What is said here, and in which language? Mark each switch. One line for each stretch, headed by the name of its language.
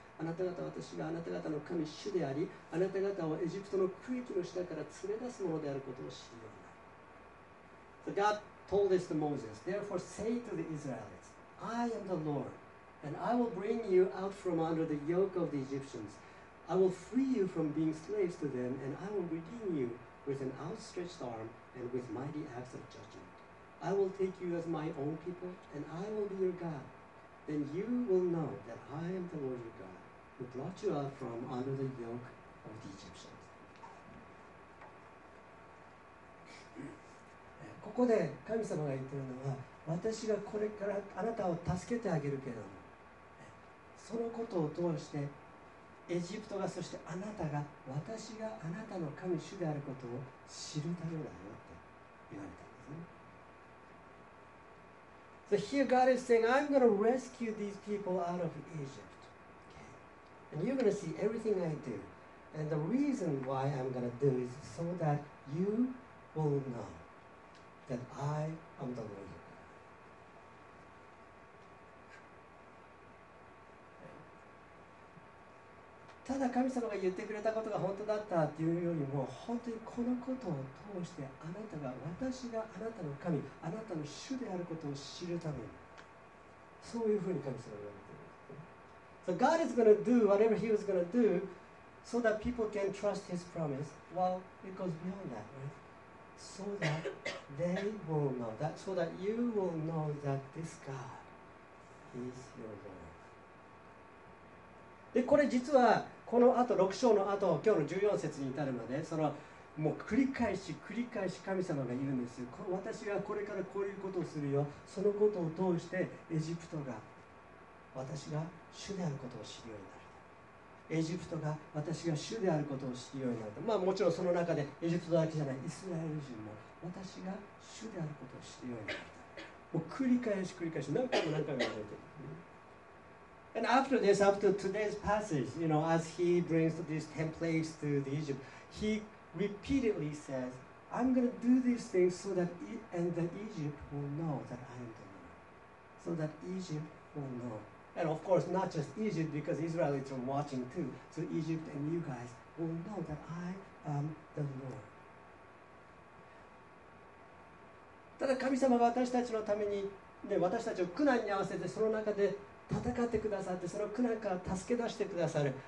Japanese: あなた方は私があなた方の神主であり、あなた方をエジプトの区域の下から連れ出すものであることを知るようになる。
English: So God told this to Moses, Therefore say to the Israelites, I am the Lord, and I will bring you out from under the yoke of the Egyptians. I will free you from being slaves to them, and I will redeem you with an outstretched arm and with mighty acts of judgment. I will take you as my own people, and I will be your God. Then you will know that I am the Lord your God, who brought you out from under the yoke of the Egyptians.
Japanese: ここで神様が言ってるのは、私がこれからあなたを助けてあげるけれども、そのことを通して、エジプトがそしてあなたが私があなたの神主であることを知るためだよって言われたんですね。
English: So here God is saying, I'm going to rescue these people out of Egypt.、Okay. And you're going to see everything I do. And the reason why I'm going to do is so that you will know that I am the Lord.
Japanese: ただ神様が言ってくれたことが本当だったっていうよりも、本当にこのことを通してあなたが、私があなたの神、あなたの主であることを知るために、そういうふうに神様は言われている。
English: So God is going to do whatever He was going to do so that people can trust His promise. Well, it goes beyond that, right? So that they will know that, so that you will know that this God is your God.
Japanese: で、これ実はこのあと6章のあと今日の14節に至るまで、そのもう繰り返し繰り返し神様が言うんですよ。私がこれからこういうことをするよ。そのことを通してエジプトが私が主であることを知るようになる。エジプトが私が主であることを知るようになる。まあもちろんその中でエジプトだけじゃない、イスラエル人も私が主であることを知るようになる。もう繰り返し繰り返し何回も何回も言われてる。
English: And after this, after today's passage, you know, as he brings these 10 plagues to the Egypt, he repeatedly says, I'm going to do these things so that and the Egypt will know that I am the Lord. So that Egypt will know. And of course, not just Egypt, because Israelites are watching too. So Egypt and you guys will know that I am the Lord.
Japanese: ただ神様が私たちのために、ね、私たちを苦難に合わせてその中で戦ってくださって、その苦難から助け出してくださる。